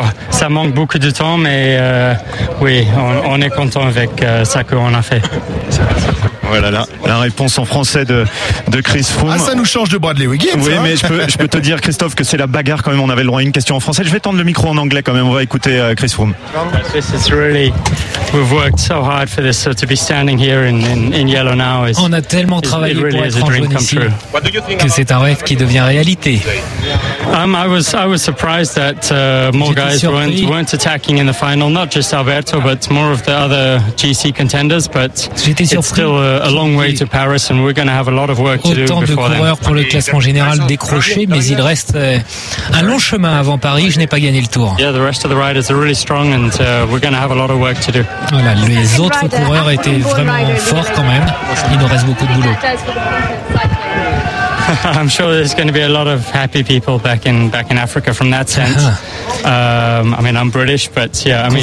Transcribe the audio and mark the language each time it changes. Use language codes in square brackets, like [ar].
[fr] Ça manque beaucoup de temps, mais oui, on est content avec ça qu'on a fait. Voilà la réponse en français de Chris Froome. Ah, ça nous change de Bradley Wiggins. Oui, hein, mais je peux te dire, Christophe, que c'est la bagarre quand même. On avait le droit à une question en français. Je vais tendre le micro en anglais quand même. On va écouter Chris Froome. [en] This is really, we've worked so hard for this, so to be standing here in yellow now is. [fr] On a tellement travaillé really pour être en jaune ici que c'est un rêve qui devient réalité. [en] I was surprised that more guys weren't attacking in the final, not just Alberto, but more of the other GC contenders. But [fr] j'étais surpris. [en] A long way to Paris, and we're going to have a lot of work to do before then. [fr] Autant de coureurs pour le classement général décroché, mais il reste un long chemin avant Paris. Je n'ai pas gagné le tour. [en] Yeah, the rest of the riders are really strong, and we're going to have a lot of work to do. [fr] Voilà, les autres coureurs étaient vraiment forts quand même. Il nous reste beaucoup de boulot. [en] I'm sure there's going to be a lot of happy people back in Africa from that sense. I mean, I'm British, but yeah, I mean,